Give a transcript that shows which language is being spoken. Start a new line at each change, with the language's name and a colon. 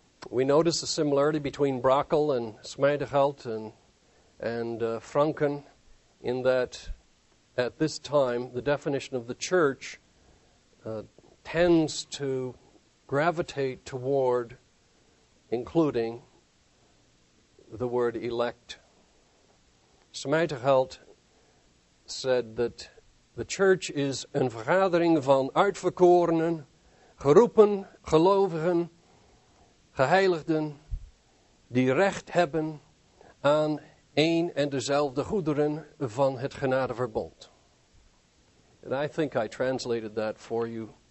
English: We notice a similarity between Brackel and Smyteheld and Franken in that at this time, the definition of the church tends to gravitate toward including the word elect. Smyteheld said that the church is
Dutch: een vergadering van uitverkorenen, geroepen, gelovigen, geheiligden, die recht hebben aan één en dezelfde goederen van het genadeverbond.
English: And I think I translated that for you.